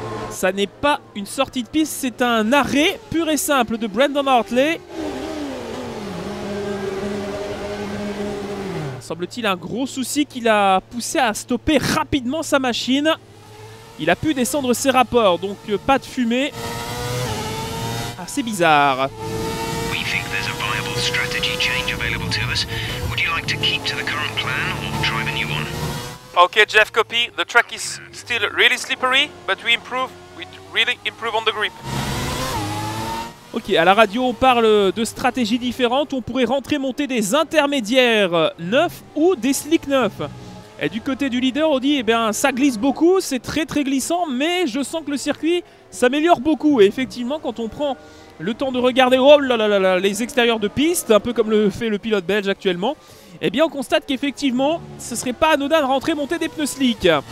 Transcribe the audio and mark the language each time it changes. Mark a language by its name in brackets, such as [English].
[French] Ça n'est pas une sortie de piste, c'est un arrêt pur et simple de Brandon Hartley. Semble-t-il un gros souci qui l'a poussé à stopper rapidement sa machine. Il a pu descendre ses rapports, donc pas de fumée. Assez bizarre. [English] We think there's a viable strategy change available to us. Would you like to keep to the current plan or try the new one? Okay, Jeff, copy. The track is still really slippery, but we improve. Really improve on the grip. [French] Ok, à la radio, on parle de stratégies différentes. On pourrait rentrer monter des intermédiaires neufs ou des slicks neufs. Et du côté du leader, on dit eh bien, ça glisse beaucoup, c'est très très glissant, mais je sens que le circuit s'améliore beaucoup. Et effectivement, quand on prend le temps de regarder oh là là là, les extérieurs de piste, un peu comme le fait le pilote belge actuellement, eh bien, on constate qu'effectivement, ce ne serait pas anodin de rentrer monter des pneus slicks.